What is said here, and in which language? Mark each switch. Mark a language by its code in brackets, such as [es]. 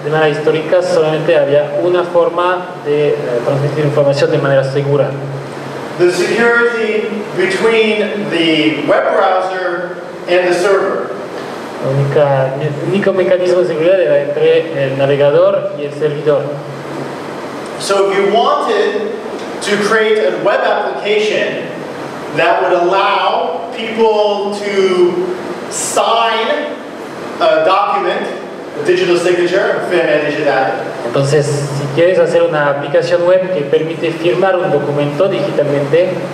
[es] Histórica solamente había una forma de transmitir información de manera segura. [en] The security between the web browser and the server. [es] El único mecanismo de seguridad era entre el navegador y el servidor. [en] So if you wanted to create a web application that would allow people to sign a document, digital signature. [es] Entonces, si quieres hacer una aplicación web que permite firmar un documento digitalmente,